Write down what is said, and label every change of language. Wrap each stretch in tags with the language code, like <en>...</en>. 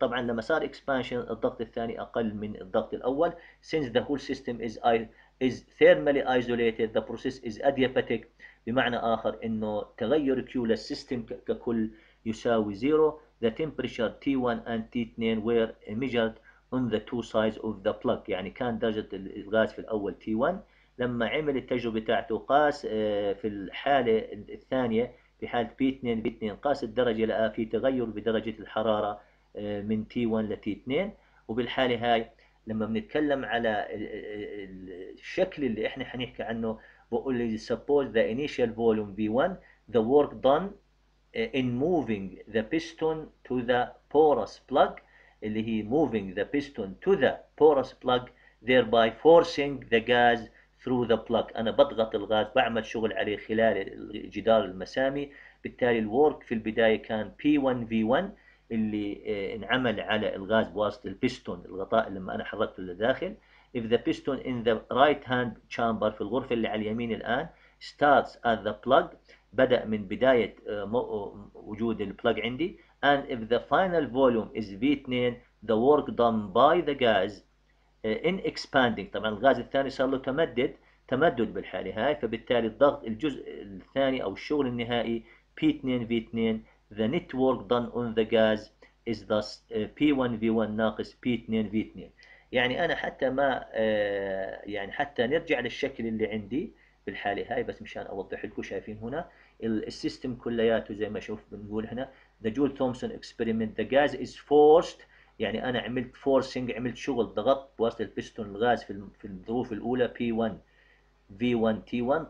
<ar>طبعا لما صار expansion الضغط الثاني أقل من الضغط الأول.</ar> <en>Since the whole system is thermally isolated, the process is adiabatic.</en> <ar>بمعنى آخر إنه تغير Q للسيستم ككل يساوي zero.</ar> <en>The temperature T1 and T2 were measured on the two sides of the plug.</en> <ar>يعني كان درجة الغاز في الأول T1، لما عمل التجربة بتاعته قاس في الحالة الثانية في حالة P2 قاس الدرجة، لقى في تغير بدرجة الحرارة من T1 لT2. وبالحالة هاي لما بنتكلم على الشكل اللي احنا حنحكي عنه بقول لي</ar> <en>suppose the initial volume V1, the work done in moving the piston to the porous plug,</en> <ar>اللي هي</ar> <en>moving the piston to the porous plug thereby forcing the gas through the plug.</en> <ar>انا بضغط الغاز بعمل شغل عليه خلال الجدار المسامي، بالتالي الورك في البداية كان P1 V1 اللي انعمل على الغاز بواسطة البيستون الغطاء لما انا حركته لداخل.</ar> <en>If the piston in the right hand chamber</en> <ar>في الغرفة اللي على اليمين الآن</ar> <en>starts at the plug</en> <ar>بدأ من بداية وجود البلاج عندي.</ar> <en>And if the final volume is V2, the work done by the gas in expanding،</en> <ar>طبعا الغاز الثاني صار له تمدد بالحالة هاي، فبالتالي الضغط الجزء الثاني أو الشغل النهائي P2 V2.</ar> <en>The net work done on the gas is thus P1 V1</en> <ar>ناقص</ar> <en>P2 V2.</en> <ar>يعني أنا حتى ما يعني حتى نرجع للشكل اللي عندي بالحالة هاي بس مشان أوضح لكم، شايفين هنا السيستم كلياته زي ما شوف بنقول هنا</ar> <en>The Joule Thomson Experiment The gas is forced،</en> <ar>يعني أنا عملت forcing عملت شغل ضغط بواسطة البستون الغاز في الظروف الأولى P1 V1 T1.</ar>